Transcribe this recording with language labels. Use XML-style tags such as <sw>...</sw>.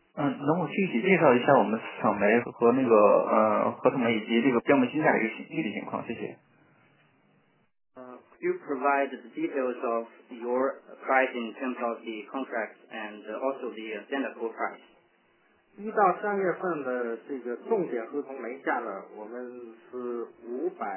<zh>能否具体介绍一下我们市场煤和那个合同煤以及这个标煤均价的一个具体情况？谢谢。</zh> <en>Do you provide the details of your price in terms of the contract and also the standard coal price?</en> <zh>一到三月份的这个重点合同煤价呢，我们是569.28。</zh>